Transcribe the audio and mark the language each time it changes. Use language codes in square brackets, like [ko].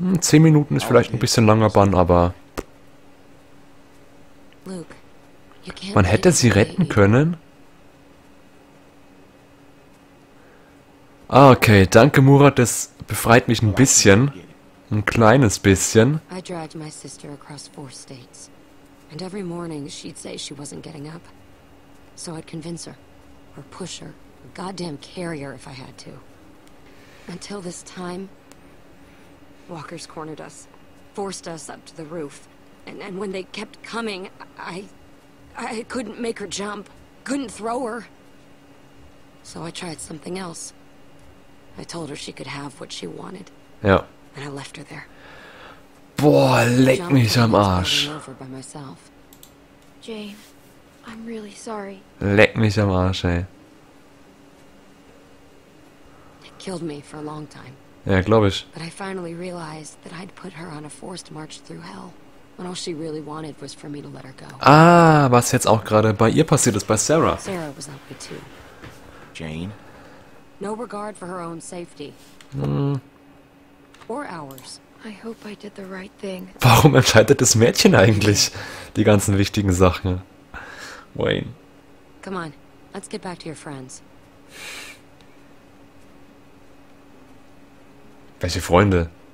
[de] 10 Minuten ist vielleicht ein bisschen langer Bann, aber... [en] Luke, you can't [de] man hätte sie retten können. Okay, danke Murat, das befreit mich ein bisschen. Ein kleines bisschen. [en] I dragged my sister across 4 states. And every morning she'd say she wasn't getting up. So I'd convince her. Or push her. A goddamn carrier if I had to. Until this time, walkers cornered us, forced us up to the roof, and when they kept coming, I couldn't make her jump, couldn't throw her. So I tried something else. I told her she could have what she wanted. Yeah. And I left her there. [de] Boah, leck mich am Arsch. [en] Over by myself. Jane, I'm really sorry. [de] Leck mich am Arsch, ey. [en] Killed me for a long time. [de] Ja, glaube ich. [en] But I finally realized that I'd put her on a forced march through hell when all she really wanted was for me to let her go. [de] Ah, was jetzt auch gerade bei ihr passiert ist, bei Sarah. [en] Sarah was that way too. Jane? No regard for her own safety. Or ours. I hope I did the right thing. [de] Warum entscheidet das Mädchen eigentlich die ganzen wichtigen Sachen? [en] Wayne. Come on, let's get back to your friends. [de] Welche Freunde?